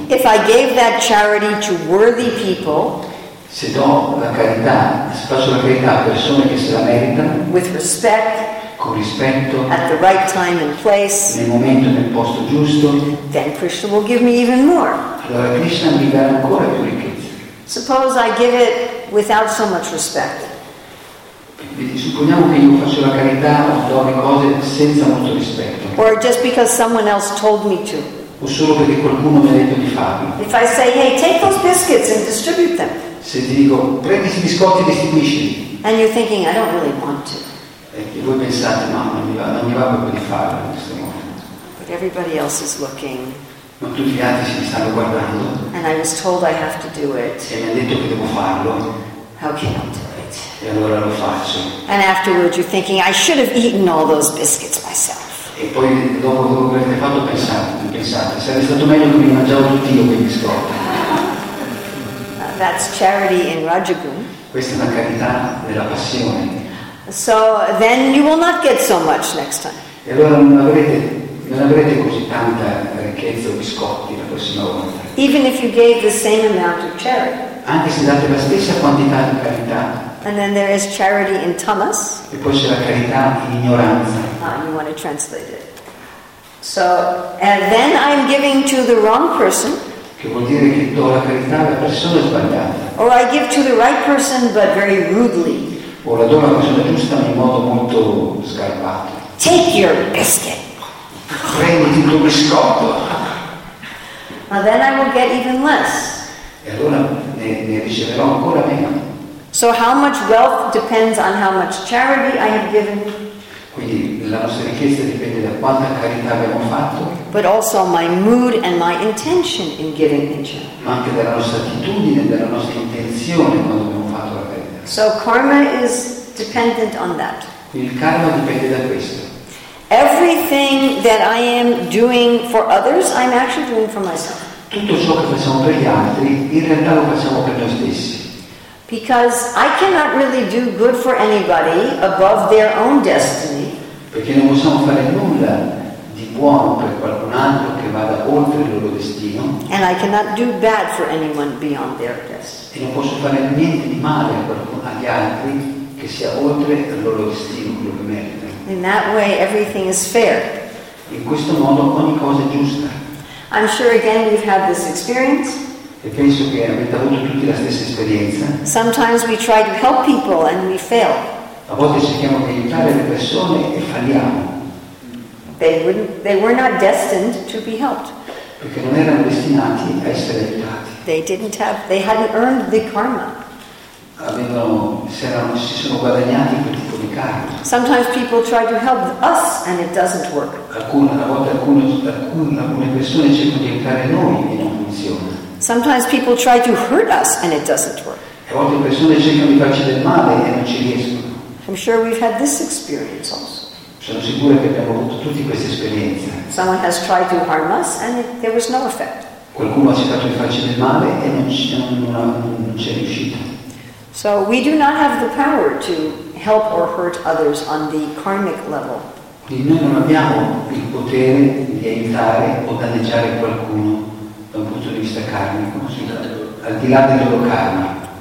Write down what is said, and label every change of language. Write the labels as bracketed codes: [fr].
[en] If I gave that charity to worthy people, [it] se do la carità, se faccio la carità a persone che se la meritano, [en] with respect, [it] con rispetto, [en] at the right time and place, [it] nel momento e nel posto giusto, [en] then Krishna will give me even more. [it] Allora Krishna mi darà ancora più ricchezza. [en] Suppose I give it without so much respect. [it] Supponiamo che io faccio la carità o do le cose senza molto rispetto. [en] Or just because someone else told me to. [it] O solo perché qualcuno mi ha detto di farlo. [en] If I say, hey, take those biscuits and distribute them. [it] Se ti dico, prendi questi biscotti e distribuisceli. [en] And you're thinking, I don't really want to. [it] E voi pensate, no, non mi va proprio di farlo in questo momento. [en] But everybody else is looking. [it] Ma tutti gli altri si stanno guardando. [en] And I was told I have to do it. [it] E mi ha detto che devo farlo. [en] How can I do it? [it] E allora lo faccio. [en] And afterwards you're thinking, I should have eaten all those biscuits myself. [it] E poi dopo che avete fatto pensate, sarebbe stato meglio che mi mangiavo tutti io quei biscotti. [en] That's charity in Rajagun. [it] Questa è una carità della passione. [en] So then you will not get so much next time. [it] E allora non avrete così tanta ricchezza o biscotti la prossima volta. [en] Even if you gave the same amount of charity. [it] Anche se date la stessa quantità di carità. [en] And then there is charity in tamas. [it] E poi c'è la carità in ignoranza. [en] You want to translate it. So, and then I'm giving to the wrong person. [it] Che vuol dire che do la carità alla persona sbagliata. [en] Or I give to the right person, but very rudely. [it] O la do la persona giusta, ma in modo molto sgarbato. [en] Take your biscuit. [it] Prenditi il tuo biscotto. [en] And then I will get even less. [it] E allora ne riceverò ancora meno. [en] So how much wealth depends on how much charity I have given. [it] Quindi la nostra ricchezza dipende da quanta carità abbiamo fatto. [en] But also my mood and my intention in giving in charity. [it] Ma anche dalla nostra attitudine, dalla nostra intenzione quando abbiamo fatto la carità. [en] So karma is dependent on that. [it] Il karma dipende da questo. [en] Everything that I am doing for others, I'm actually doing for myself. [it] Tutto ciò che facciamo per gli altri, in realtà lo facciamo per noi stessi. [en] Because I cannot really do good for anybody above their own destiny. [it] Perché non possiamo fare nulla di buono per qualcun altro che vada oltre il loro destino. [en] And I cannot do bad for anyone beyond their destiny. [it] E non posso fare niente di male a qualcun agli altri che sia oltre il loro destino, quello che merita. [en] In that way, everything is fair. [it] In questo modo ogni cosa è giusta. [en] I'm sure again we've had this experience. [it] E penso che avete avuto tutti la stessa esperienza. [en] Sometimes we try to help people and we fail. [it] A volte cerchiamo di aiutare le persone e falliamo. [en] They were not destined to be helped. [it] Perché non erano destinati a essere aiutati. [en] They hadn't earned the karma. [it] Si sono guadagnati quel tipo di karma. [en] Sometimes people try to help us and it doesn't work. [it] Alcune persone cercano di aiutare noi e non funziona. [en] Sometimes people try to hurt us and it doesn't work. [it] A volte persone cercano di farci del male e non ci riescono. [en] I'm sure we've had this experience also. [it] Sono sicuro che abbiamo avuto tutti queste esperienze. [en] Someone has tried to harm us and there was no effect. [it] Qualcuno ha cercato di farci del male e non c'è riuscito. [en] So we do not have the power to help or hurt others on the karmic level. [it] Quindi noi non abbiamo il potere di aiutare o danneggiare qualcuno da un punto di vista karmico, al di là del loro karma.